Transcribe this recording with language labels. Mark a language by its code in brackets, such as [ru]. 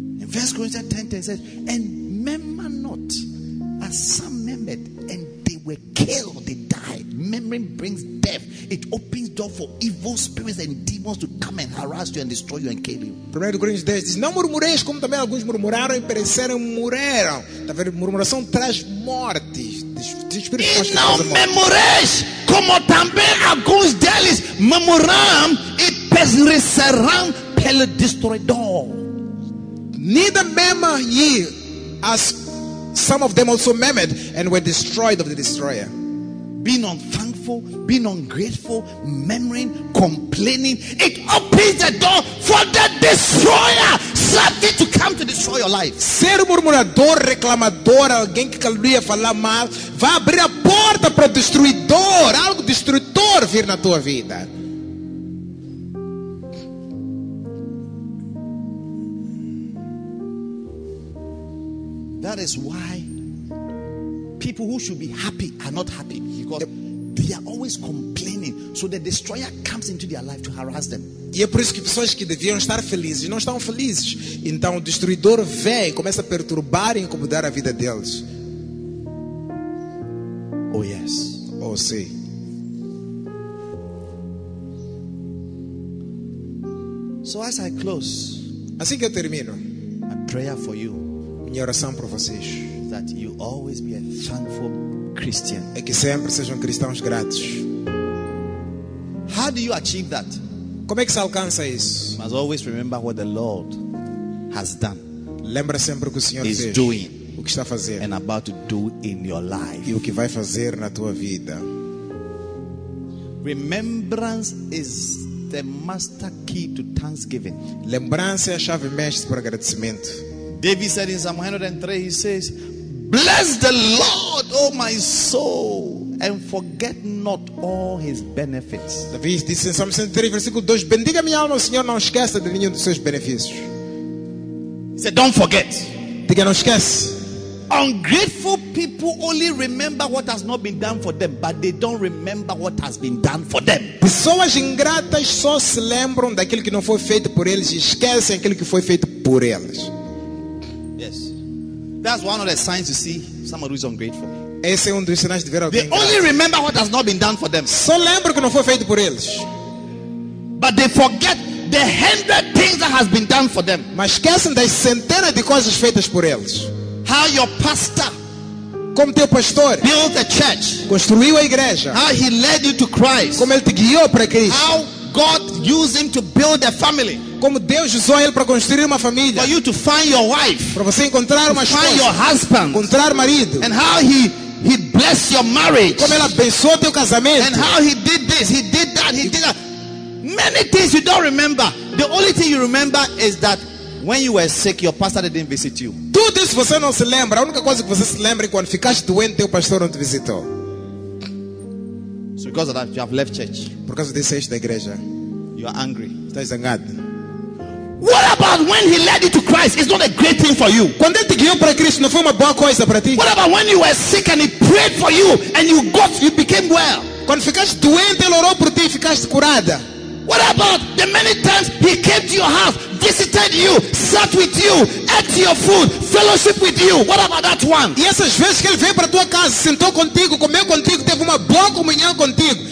[en] First Corinthians 10:10 says, "And remember not, as some remembered, and they were killed, they died. Memory brings death; it opens door for evil spirits and demons to come and harass you and destroy you and kill you." [pt] 1 Corinthians 10 diz: "Não murmureis como também alguns murmuraram e pereceram, morreram. Tá vendo? Murmuração traz morte. Não murmureis como também alguns deles murmuraram e pereceram pelo destruidor." [en] Neither murmur ye, as some of them also murmured and were destroyed of the destroyer. Being unthankful, being ungrateful, murmuring, complaining, it opens the door for the destroyer, Satan, to come to destroy your life. [pt] Ser murmurador, reclamador, alguém que caluria falar mal, vai abrir a porta para o destruidor, algo destruidor vir na tua vida. [en] That is why people who should be happy are not happy, because they are always complaining. So the destroyer comes into their life to harass them. [pt] E é por isso que pessoas que deviam estar felizes não estão felizes. Então o destruidor vem e começa a perturbar e incomodar a vida deles. [en] Oh yes. [pt] Oh sim. [en] So as I close, [pt] assim que eu termino, [en] a prayer for you. [pt] Minha oração para vocês, [en] that you always be a thankful Christian. [pt] É que sempre sejam cristãos gratos. [en] How do you achieve that? [pt] Como é que se alcança isso? [en] Must always remember what the Lord has done. [pt] Lembra sempre o que o Senhor [en] is [pt] fez. [en] Doing, [pt] o que está fazendo. [en] And about to do in your life. [pt] E o que vai fazer na tua vida. [en] Remembrance is the master key to thanksgiving. [pt] Lembrança é a chave mestre para agradecimento. [en] David said in Psalm 103, he says, "Bless the Lord, O my soul, and forget not all his benefits." [pt] David disse em Psalm 103, versículo 2, "Bendiga minha alma, Senhor, não esqueça de nenhum dos seus benefícios." [en] He said, "Don't forget." [pt] Diga, não esquece. [en] Ungrateful people only remember what has not been done for them, but they don't remember what has been done for them. [pt] Pessoas ingratas só se lembram daquilo que não foi feito por eles e esquecem aquilo que foi feito por eles. [en] That's one of the signs you see someone who is ungrateful. [pt] Esse é um dos sinais de ver alguém. [en] They only remember what has not been done for them. [pt] Só lembram que não foi feito por eles. [en] But they forget the 100 things that has been done for them. [pt] Mas esquecem das centenas de coisas feitas por eles. [en] How your pastor, [pt] como teu pastor, [en] built a church, [pt] construiu a igreja. [en] How he led you to Christ, [pt] como ele te guiou para Cristo. [en] How God used him to build a family, [pt] como Deus usou ele para construir uma família. [en] For you to find your wife, [pt] para você encontrar uma esposa. [en] Find your husband, [pt] encontrar marido. [en] And how he blessed your marriage, como ele abençoou teu casamento. And how he did this, he did that, he did that. Many things you don't remember. The only thing you remember is that when you were sick, your pastor didn't visit you. [pt] Tudo isso você não se lembra. A única coisa que você se lembra é quando ficaste doente, teu pastor não te visitou. [en] So because of that, you have left church. [pt] Por causa disso, saíste da igreja. [en] You are angry. [pt] Estás zangado. [en] What about when he led you to Christ? It's not a great thing for you. [pt] Quando ele te guiou para Cristo, não foi uma boa coisa para ti. [en] What about when you were sick and he prayed for you and you got, you became well? [pt] Quando ficaste doente, ele orou por ti e ficaste curada. [en] What about the many times he came to your house, visited you, sat with you, ate your food, fellowship with you? What about that one? [pt] E essas vezes que ele veio para tua casa, sentou contigo, comeu contigo, teve uma boa comunhão contigo.